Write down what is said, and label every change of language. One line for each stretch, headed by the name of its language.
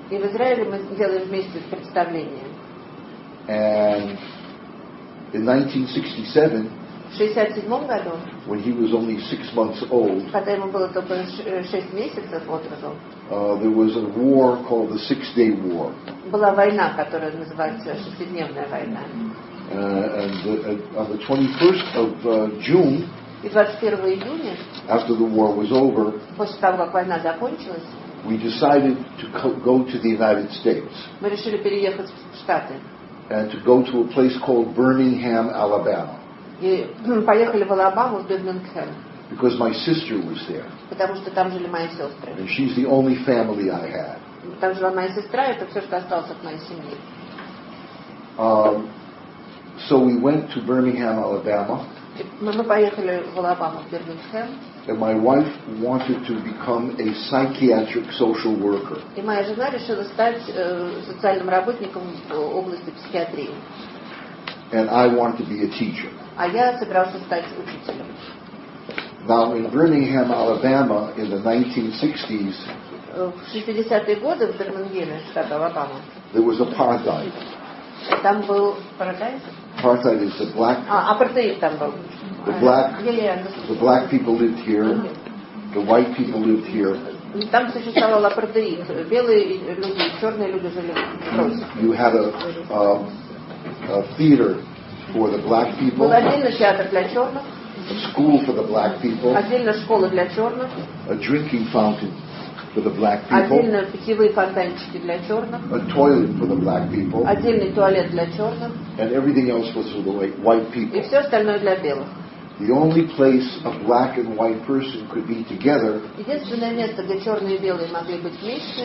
Russian: И в Израиле мы делаем вместе представления.
English: And in 1967.
Russian: В 67 году,
English: when he was only 6 months old,
Russian: когда ему было только 6 месяцев от роду,
English: there was a war called the Six-Day War.
Russian: Была война, которая называется Шестидневная война.
English: On the 21st of June,
Russian: и 21 июня,
English: after the war was over,
Russian: после того, как война закончилась,
English: we decided to go to the United States.
Russian: Мы решили переехать в Штаты.
English: And to go to a place called Birmingham, Alabama.
Russian: И поехали в Алабаму, в Бирмингхэм.
English: Because my sister was there.
Russian: Потому что там жили мои сестры.
English: And she's the only family I had.
Russian: Там жила моя сестра, это все, что осталось от моей семьи.
English: So we went to Birmingham, Alabama.
Russian: Мы поехали в Алабаму, в Бирмингхэм.
English: And my wife wanted to become a psychiatric social worker.
Russian: И моя жена решила стать социальным работником в области психиатрии.
English: And I wanted to be a teacher.
Russian: А я собирался стать учителем.
English: Now in Birmingham, Alabama, in the 1960s.
Russian: В 60-е годы в Бирмингеме, штат Алабама.
English: There was apartheid.
Russian: Там был
English: apartheid. Apartheid is the black.
Russian: Апартеид там был.
English: The black. The black people lived here. The white people lived here.
Russian: Там существовал апартеид. Белые люди, черные люди жили.
English: You had a theater for the black people.
Russian: Был отдельный театр для черных.
English: A school for the black people.
Russian: Отдельная школа для черных.
English: A drinking fountain for the black people.
Russian: Отдельные питьевые фонтанчики для черных.
English: A toilet for the black people.
Russian: Отдельный туалет для черных.
English: And everything else was for the white people.
Russian: И все остальное для белых.
English: The only place a black and white person could be together.
Russian: Единственное место, где черные и белые могли быть вместе.